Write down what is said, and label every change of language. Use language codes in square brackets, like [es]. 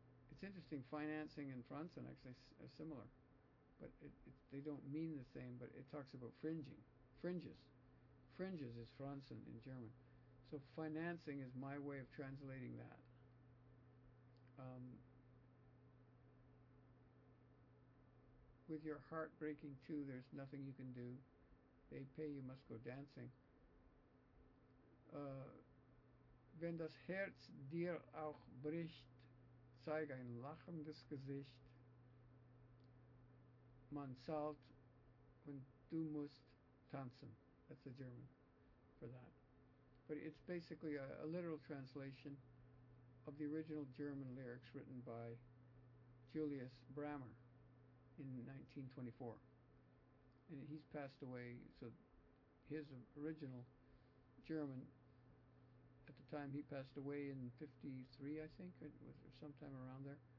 [en] It's interesting, financing in Franzen actually are similar, but they don't mean the same, but it talks about fringes is Franzen in German, so financing is my way of translating that. With your heart breaking too, there's nothing you can do. They pay, you must go dancing. [de] Wenn das Herz dir auch bricht, zeig ein lachendes Gesicht. Man zahlt und du musst tanzen. [en] That's the German for that. But it's basically a literal translation of the original German lyrics written by Julius Brammer in 1924. and he's passed away, so his original German, at the time he passed away in 53, I think, it was sometime around there.